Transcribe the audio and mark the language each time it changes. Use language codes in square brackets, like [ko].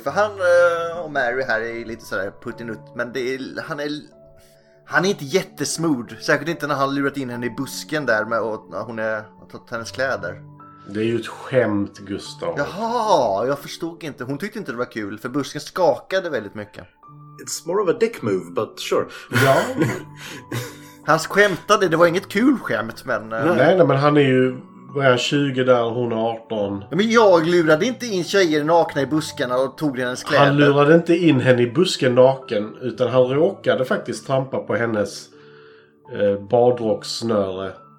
[sv] För han och Mary här är lite sådär puttinutt. Men det är, han är inte jättesmooth. Säkert inte när han lurat in henne i busken där med, och hon är tagit hennes kläder. Det är ju ett skämt, Gustav. Jaha, jag förstod inte. Hon tyckte inte det var kul för busken skakade väldigt mycket. [en] It's more of a dick move, but sure. [sv] Ja. Han skämtade, det var inget kul skämt men, Nej, men han är ju... Var jag 20 där, hon är 18. Men jag lurade inte in tjejer nakna i busken och tog hennes kläder. Han lurade inte in henne i busken naken, utan han råkade faktiskt trampa på hennes badrocksnöre.